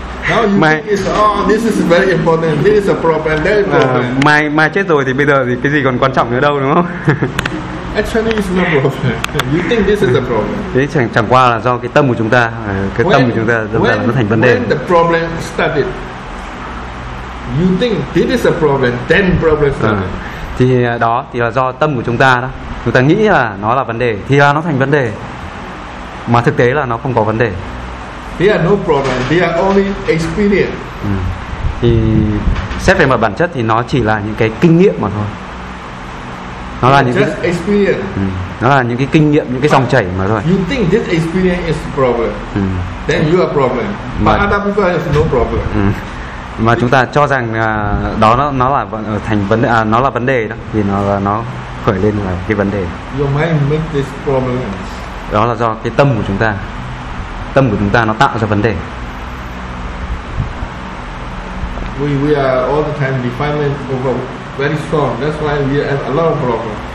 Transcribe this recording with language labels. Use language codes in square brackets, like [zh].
[en] Now you mai, think it's, oh, this is very important. This is a problem. That is problem. [vi] Mai chết rồi thì bây giờ thì cái gì còn quan trọng nữa đâu, đúng không? [en] Actually, it's no problem. You think this is a problem? [vi] Thế chẳng qua là do cái tâm của chúng ta, cái [en] when, [vi] tâm của chúng ta dần dần nó thành vấn [en] when [vi] đề. [en] When the problem started, you think this is a problem. Then problem started. [vi] Thì đó thì là do tâm của chúng ta đó. Chúng ta nghĩ là nó là vấn đề thì là nó thành vấn đề. Mà thực tế là nó không có vấn đề. [en] They are no problem. They are only experience. [vi] Thì xét về mặt bản chất thì nó chỉ là những cái kinh nghiệm mà thôi. Nó là những [en] just [vi] cái [en] experience. [vi] Nó là những cái kinh nghiệm, những cái dòng chảy mà thôi. [en] You think this experience is problem. Then you are problem. But other people have no problem. [vi] Mà chúng ta cho rằng đó nó là thành vấn đề, nó là vấn đề đó thì nó khởi lên là cái vấn đề. [en] Your mind make this problem. [vi] Đó là do cái tâm của chúng ta. Tâm của chúng ta nó tạo ra vấn đề. [en] We are all the time defilement over very strong. That's why we have a lot of problem.